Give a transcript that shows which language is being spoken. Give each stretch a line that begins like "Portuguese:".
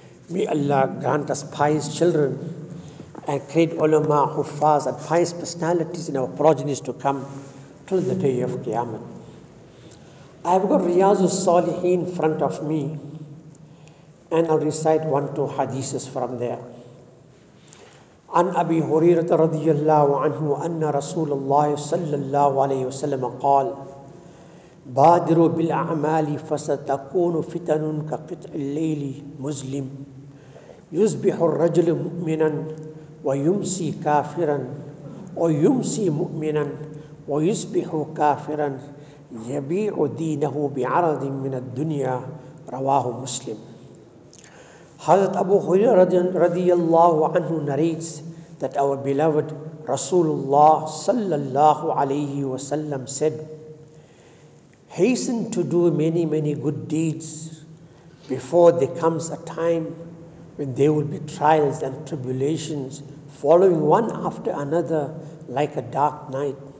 English: May Allah grant us pious children and create ulama, huffaz, and pious personalities in our progenies to come till the day of Qiyamah. I have got Riyazul Salihin in front of me, and I'll recite one or two hadiths from there.
Arabic: عن أبي هريرة رضي الله عنه أن رسول الله صلى الله عليه وسلم قال بادروا بالأعمال فستكون فتن كقطع الليل مظلم يصبح الرجل مؤمنا ويمسي كافرا ويمسي مؤمنا ويصبح كافرا يبيع دينه بعرض من الدنيا رواه مسلم.
English: حضرت أبو هريرة
Arabic: رضي الله عنه
English: narrates that our beloved Rasulullah sallallahu alayhi wa sallam said, hasten to do many, many good deeds before there comes a time when there will be trials and tribulations following one after another like a dark night.